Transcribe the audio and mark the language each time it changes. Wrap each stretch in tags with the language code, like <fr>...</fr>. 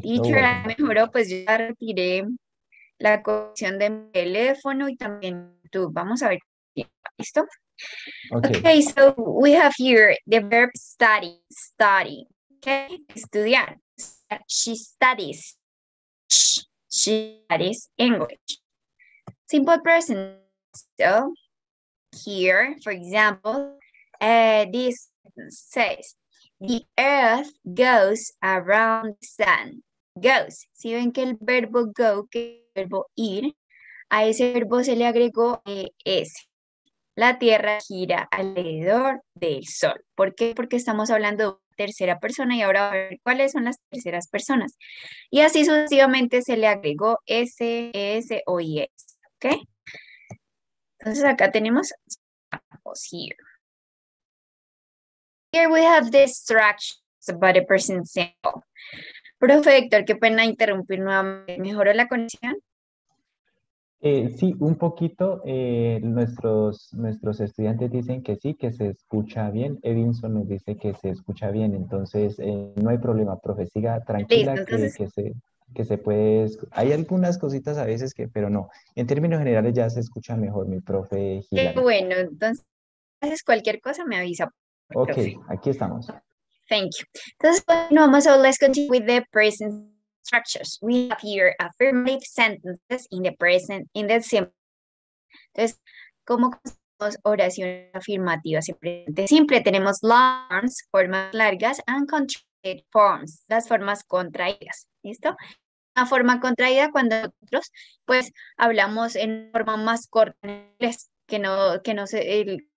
<es>teacher, no mejoró, pues yo ya retiré la conexión de mi teléfono y también tú. Vamos a ver. ¿Listo? Okay,</es> <en>so we have here the verb study. Study. Okay, estudiar. She studies. She studies English. Simple present. So here, for example, this says, the earth goes around the sun. Goes.</en> <es>Si ven que el verbo go, que el verbo ir, a ese verbo se le agregó es. La tierra gira alrededor del sol. ¿Por qué? Porque estamos hablando de tercera persona y ahora a ver cuáles son las terceras personas. Y así sucesivamente se le agregó S, S o I, S. ¿Ok? Entonces acá tenemos</es> <en>examples here. Here we have the structures about a present simple.</en> <es>Profe Héctor, qué pena interrumpir nuevamente. ¿Mejoró la conexión? Sí, un poquito. Nuestros estudiantes dicen que sí, que se escucha bien. Edinson nos dice que se escucha bien. Entonces, no hay problema, profe. Siga tranquila. Listo, entonces... que se puede... Hay algunas cositas a veces que... Pero no. En términos generales ya se escucha mejor, mi profe Gilani. Qué bueno. Entonces, si haces cualquier cosa, me avisa. Ok, aquí estamos.</es> <en>Thank you.</en> <es>Entonces, bueno, vamos a...</es> <en>Let's continue with the present structures. We have here affirmative sentences in the present, in the simple.</en> <es>Entonces, ¿cómo hacemos oraciones afirmativas en presente simple? Tenemos forms, formas largas,</es> <en>and contracted forms,</en> <es>las formas contraídas. ¿Listo? Una forma contraída cuando nosotros, pues, hablamos en forma más corta en inglés, que no se...</es>